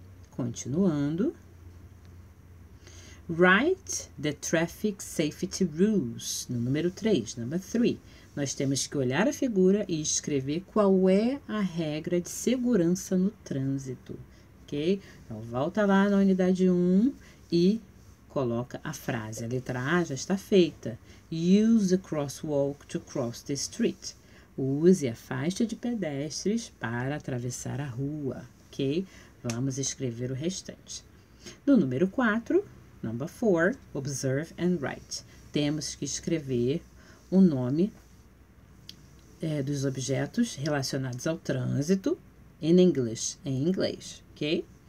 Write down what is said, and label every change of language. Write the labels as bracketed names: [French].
[English] Continuando, write the traffic safety rules, [Portuguese] no número 3, [English] number 3. [Portuguese] Nós temos que olhar a figura e escrever qual é a regra de segurança no trânsito, ok? Então, volta lá na unidade 1 e coloca a frase. A letra A já está feita. [English] Use the crosswalk to cross the street. [Portuguese] Use a faixa de pedestres para atravessar a rua, ok? Vamos escrever o restante. No número 4, number 4, observe and write. Temos que escrever o nome dos objetos relacionados ao trânsito in English, em inglês, ok?